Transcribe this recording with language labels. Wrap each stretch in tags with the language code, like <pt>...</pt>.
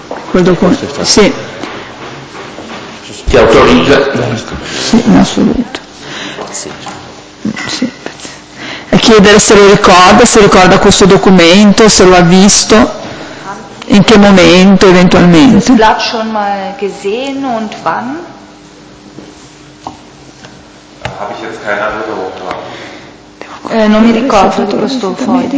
<it>Quel documento. Sì. Ti autorizza? Sì, in assoluto. Sì. E chiedere se ricorda questo documento, se lo ha visto, in che momento eventualmente. L'ha</it> <de>schon mal gesehen und wann? Habe ich jetzt keine Erinnerung.</de> <it>Non mi ricordo di questo foglio</it>